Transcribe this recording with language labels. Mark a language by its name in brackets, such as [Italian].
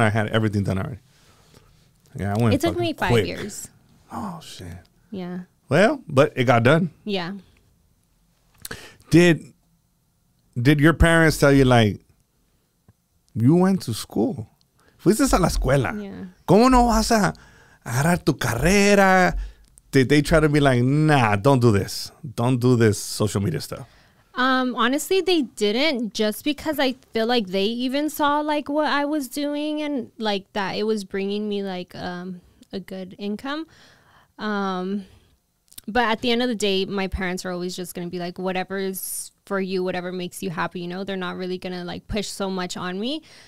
[English] I had everything done already. Yeah, I went. It took me 5 years. Oh shit. Yeah. Well, but it got done. Yeah. Did your parents tell you like you went to school? [Spanish] Fuiste a la escuela. [English] Yeah. [Spanish] ¿Cómo no vas a agarrar tu carrera? [English] Did they try to be like, nah, don't do this. Don't do this social media stuff. Honestly, they didn't, just because I feel like they even saw like what I was doing and like that it was bringing me like a good income. But at the end of the day, my parents are always just going to be like, whatever is for you, whatever makes you happy, you know, they're not really going to like push so much on me.